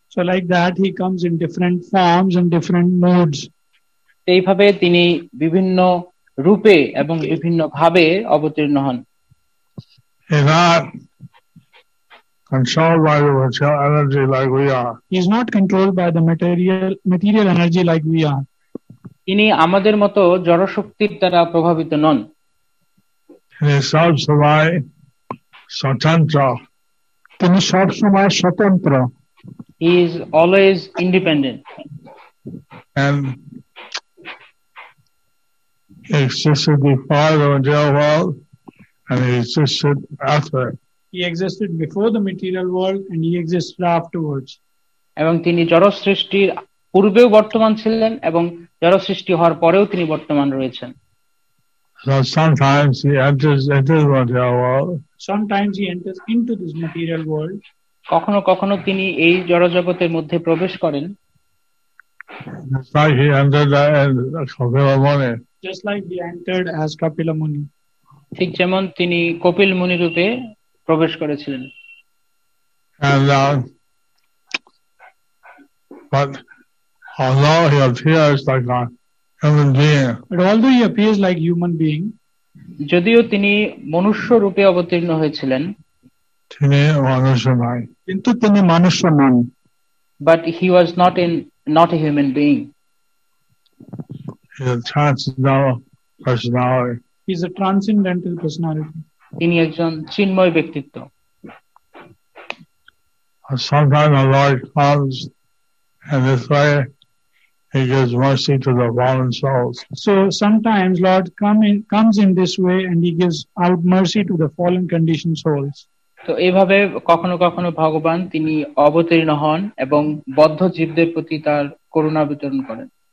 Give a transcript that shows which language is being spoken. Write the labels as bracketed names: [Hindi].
[English] So, like that, he comes in different forms and different moods. [Bangla] এইভাবে তিনি বিভিন্ন রূপে এবং বিভিন্ন ভাবে অবতীর্ণ হন. [English] Controlled by the material energy like we are. He is not controlled by the material energy like we are. [Bangla] তিনি আমাদের মতো জড় শক্তির দ্বারা প্রভাবিত নন. [English] He is self-sufficient, স্বতন্ত্র. [Bangla] তিনি সবসময় স্বতন্ত্র. [English] He is always independent. And he existed before the material world and he existed after. He existed before the material world and he existed afterwards. [Bangla] এবং তিনি জড়সৃষ্টির পূর্বেও বর্তমান ছিলেন এবং জড়সৃষ্টি হওয়ার পরেও তিনি বর্তমান রয়েছেন. [English] Sometimes he enters into the material world. Sometimes he enters into this material world. [Bangla] কখনো কখনো তিনি এই জড়জগতের মধ্যে প্রবেশ করেন. [English] Just like he entered as Kapila Muni. Just like he entered as Kapila Muni. [Bangla] ঠিক যেমন তিনি কপিল মুনি রূপে প্রবেশ করেছিলেন. [English] And but although he appears like a human being, but although he appears like human being, [Bangla] যদিও তিনি মনুষ্য রূপে অবতীর্ণ হয়েছিলেন, তিনি মানুষ নয়, কিন্তু তিনি মানুষ নন. [English] But he was not a human being. He is a transcendental personality. He is a transcendental personality. [Bangla] তিনি একজন চিন্ময় ব্যক্তিত্ব. [English] Sometimes the Lord comes, and this way He gives mercy to the fallen souls. So sometimes Lord comes in this way, and He gives mercy to the fallen conditioned souls. [Bangla] তো এভাবে কখনো কখনো ভগবান তিনি অবতীর্ণ হন এবং বদ্ধ জীবদের প্রতি তার করুণা বিতরণ করেন।